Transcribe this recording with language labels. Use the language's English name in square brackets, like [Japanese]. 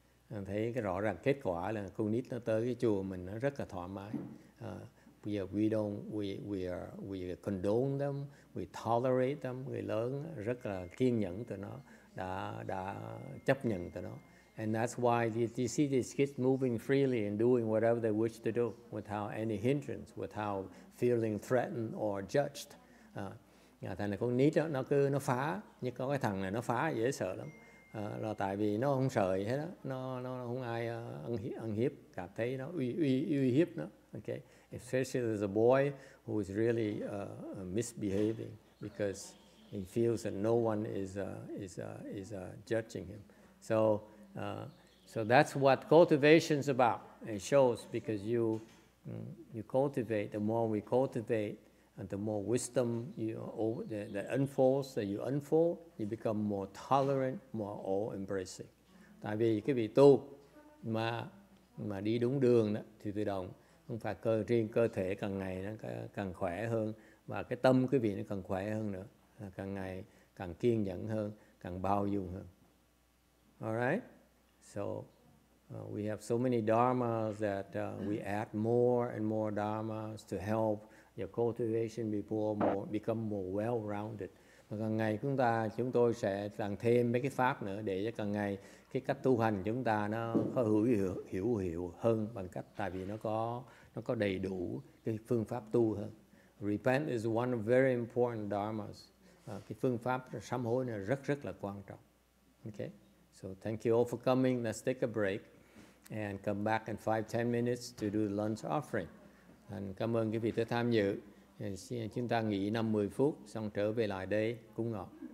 [Vietnamese] And thấy cái rõ ràng kết quả là con nít nó tới cái chùa mình nó rất là thoải mái. [English] We condone them, we tolerate them. [Vietnamese] Người lớn rất là kiên nhẫn tụi nó, đã chấp nhận tụi nó. [English] And that's why you see these kids moving freely and doing whatever they wish to do without any hindrance, without feeling threatened or judged. [Vietnamese] Thành là con nít đó, nó phá, như có cái thằng này nó phá dễ sợ lắm. Là tại vì nó không sợ gì hết đó, nó không ai ăn hiếp, cảm thấy nó uy hiếp nó. [English] Okay, especially there's a boy who is really misbehaving because he feels that no one is judging him. So that's what cultivation is about. It shows because you cultivate, the more we cultivate, and the more wisdom that unfolds, that you unfold, you become more tolerant, more all-embracing. [Vietnamese] Tại vì cái vị tu mà đi đúng đường đó, thì tự động không phải cơ riêng cơ thể càng ngày nó càng khỏe hơn, mà cái tâm quý vị nó càng khỏe hơn nữa, càng ngày càng kiên nhẫn hơn, càng bao dung hơn. [English] All right? So we have so many dharmas that we add more and more dharmas to help your cultivation become more well-rounded. [Vietnamese] Và càng ngày chúng tôi sẽ làm thêm mấy cái pháp nữa để cho càng ngày cái cách tu hành chúng ta nó có hiểu hơn bằng cách tại vì nó có đầy đủ cái phương pháp tu hơn. [English] Repent is one very important dharmas. [Vietnamese] Cái phương pháp sám hối này rất rất là quan trọng. [English] Okay. So thank you all for coming. Let's take a break and come back in 5-10 minutes to do the lunch offering. [Vietnamese] Thành cảm ơn quý vị đã tham dự. Chúng ta nghỉ 5-10 phút xong trở về lại đây cúng ngọt.